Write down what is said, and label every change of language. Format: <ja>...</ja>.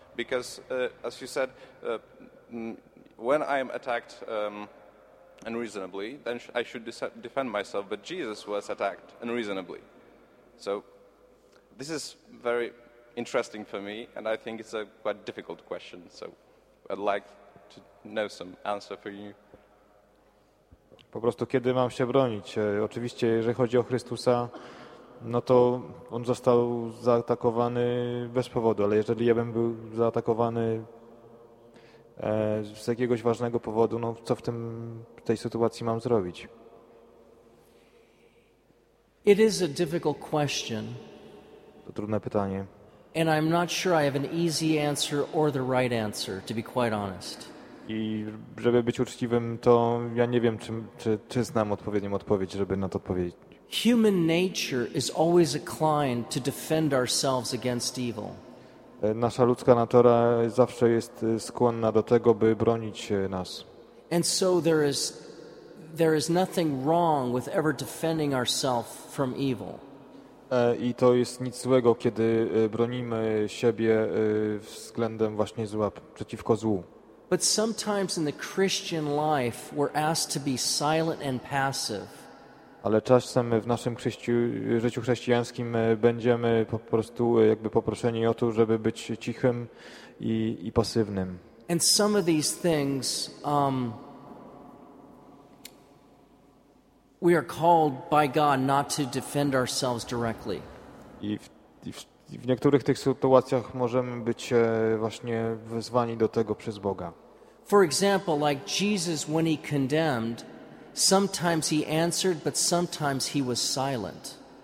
<en>Because, as you said, when I am attacked unreasonably, then I should defend myself, but Jesus was attacked unreasonably. So this is very interesting for me, and I think it's a quite difficult question, so I'd like to know some answer for you.</en> <pl>Po prostu, kiedy mam się bronić? Oczywiście, jeżeli chodzi o Chrystusa, no to on został zaatakowany bez powodu, ale jeżeli ja bym był zaatakowany z jakiegoś ważnego powodu, no co w tej sytuacji mam zrobić?</pl> <en>It is a difficult question.</en> <pl>To trudne pytanie.</pl> <en>And I'm not sure I have an easy answer or the right answer, to be quite honest.</en> <pl>I żeby być uczciwym, to ja nie wiem, czy znam odpowiednią odpowiedź, żeby na to odpowiedzieć.</pl> <en>Human nature is always inclined to defend ourselves against evil.</en> <pl>Nasza ludzka natura zawsze jest skłonna do tego, by bronić nas.</pl> <en>And so there is nothing wrong with ever defending ourselves from evil.</en> <pl>I to jest nic złego, kiedy bronimy siebie względem właśnie zła, przeciwko złu.</pl> <en>But sometimes in the Christian life we're asked to be silent and passive.</en> <pl>Ale czasem w naszym życiu chrześcijańskim będziemy po prostu jakby poproszeni o to, żeby być cichym i pasywnym.</pl> <en>And some of these things we are called by God not to defend ourselves directly.</en> <pl>I w niektórych tych sytuacjach możemy być właśnie wezwani do tego przez Boga.</pl> <en>For example, like Jesus when he condemned, Sometimes he answered, but sometimes he was silent.</en>